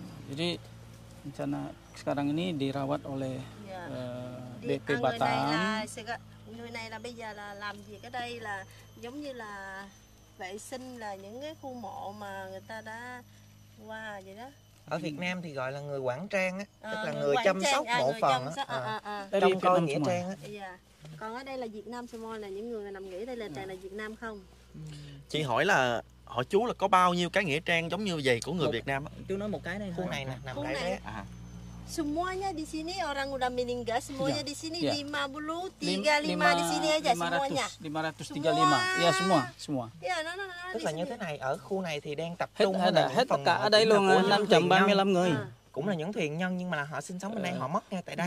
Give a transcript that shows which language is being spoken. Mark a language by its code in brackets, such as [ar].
[id] Jadi rencana sekarang ini dirawat oleh BP Batam. [vi] Người này là bây giờ là làm gì ở đây là giống như là vệ sinh là những cái khu mộ mà người ta đã qua vậy đó. Ở Việt Nam thì gọi là người quản trang á, tức là người chăm sóc mộ phần á. Trong coi nghĩa trang á. Còn ở đây là Việt Nam Samoa, là những người nằm nghỉ đây là toàn là Việt Nam không? Chị hỏi là họ chú là có bao nhiêu cái nghĩa trang giống như vậy của người Việt Nam á? Chú nói một cái đây. Khu này nè, nằm đây đấy. [id] Semuanya di sini orang udah meninggal, semuanya di sini 53 di sini aja semuanya. 535. Ya semua. Ya, no. [vi] Tức là như thế này, ở khu này thì đang tập trung hết là hết cả ở đây luôn 535 người. Cũng là những thiện nhân nhưng mà họ sinh sống bên đây, họ mất ngay tại đây.